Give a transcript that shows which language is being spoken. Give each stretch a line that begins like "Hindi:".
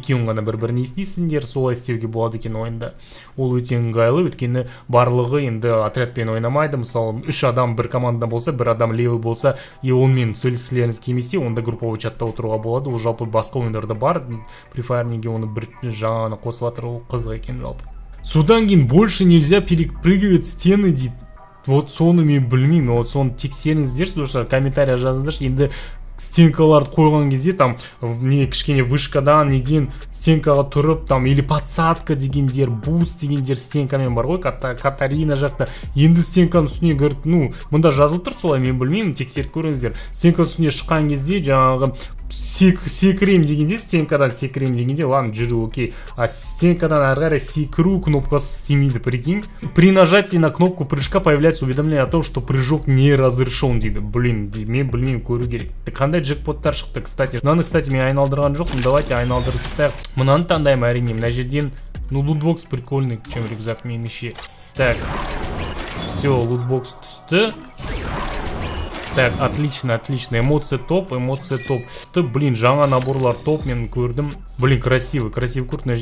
Kazakh: Екеуін ғана бір-біріне естисіңдер, солай істеуге болады екен ойында. Ол өте ыңғайлы, өйткені барлығы енді отрядпен ойнамайды. Мысалы 3 адам бір команда болса, бір адам левый болса и онымен сөйлескілеріңіз келмесе, онда групповой чатта отыруға болады. Ол жалпы басқа ойындарда бар. Прифайрнинге оны бір жаңаны қосып атыр, ол қызық екен жалпы. Содан кейін
Russian: больше нельзя перепрыгивать стены,
Kazakh: дейді. Вот соны мен білмеймін, вот соны тексеріңіздерші, достар, комментария жазыңыздаршы. Енді стенкаларды қойған кезде там не кішкене вышкадан неден стенкаға тұрып там или подсадка дегендер, буст дегендер стенкамен бар ғой, Катарина жақта. Енді стенканың үстіне кіріп, ну мында жазылып тұр, солай мен білмеймін, тексеріп көріңіздер. Стенканың үстіне шыққан кезде жаңағы секрем дегенде, стенкадан секрем дегенде, ладно, жүрі, окей. А стенкадан ары қарай секіру кнопкасы істемейді, прикинь.
Russian: При нажатии на кнопку прыжка появляется уведомление о том, что прыжок не разрешен,
Kazakh: дейді. Блин, мен білмеймін, көру керек. Так қандай джекпоттар шықты, кстати. Мынаны, кстати, мен айналдырған жоқпын,
Russian: давайте
Kazakh: айналдырып тастайық. Мынаны таңдаймын әрине, мына жерден. Ну, лутбокс прикольный,
Russian: чем рюкзак
Kazakh: меніңше. Так, все, лутбокс түсті. Так,
Russian: отлично, эмоции топ.
Kazakh: Ты, блин, жаңа наборлар топ, мен көрдім. Блин,
Russian: красивый куртка.